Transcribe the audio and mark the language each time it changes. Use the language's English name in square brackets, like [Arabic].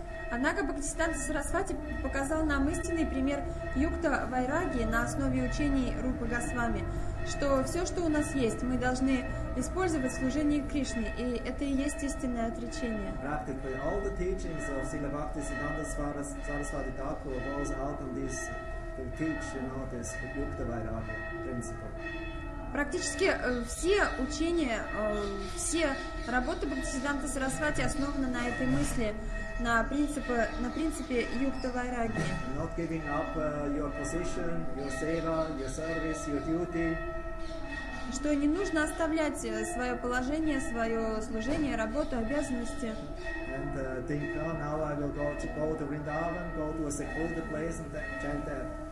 [Russian] Однако Бхактисиддханта Сарасвати показал нам истинный пример Юкта Вайраги на основе учений Рупы Госвами. что все, что у нас есть, мы должны использовать в служении Кришне, и это и есть истинное отречение. [English] Practically all the teachings of Srila Bhakti Siddhanta Saraswati Thakur was out on this to teach, you know, this Yukta Vairagya principle. [Russian] Практически все учения, все работы Бхактисиддханты Сарасвати основаны на этой мысли, на принципе Юкта Вайраги. [English] Not giving up your position, your seva, your service, your duty. [Russian] Что не нужно оставлять свое положение, свое служение, работу, обязанности. [English] And think, oh, now I will go to Vrindavan, go to a secluded place and chant there.